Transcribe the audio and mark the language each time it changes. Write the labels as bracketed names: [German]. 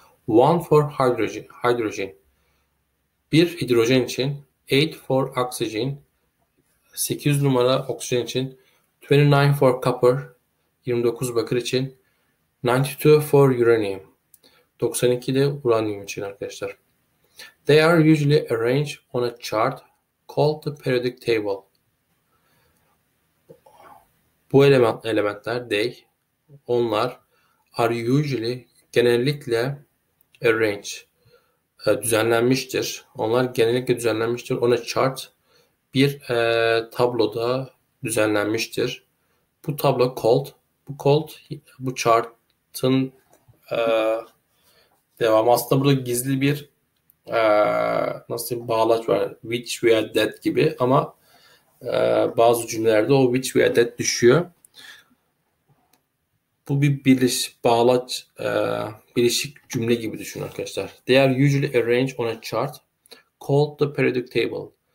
[English] One for hydrogen. [Turkish] Bir hidrojen için, [English] 8 for oxygen. [Turkish] 8 numara oksijen için, [English] 29 for copper, [Turkish] 29 bakır için, [English] 92 for uranium, [Turkish] 92 de uranyum için arkadaşlar. [English] They are usually arranged on a chart called the periodic table. [Turkish] Bu elementler, onlar [English] are usually, [Turkish] genellikle arranged, düzenlenmiştir. Onlar genellikle düzenlenmiştir [English] on a chart. [Turkish] Bir tabloda düzenlenmiştir. Bu tablo called. Bu chart'ın devamı. Aslında burada gizli bir bağlaç var. [English] Which we are that [Turkish] gibi. Ama bazı cümlelerde o [English] which we are that [Turkish] düşüyor. Bu bir bağlaç, birleşik cümle gibi düşünün arkadaşlar. [English] They are usually arranged on a chart called the periodic table.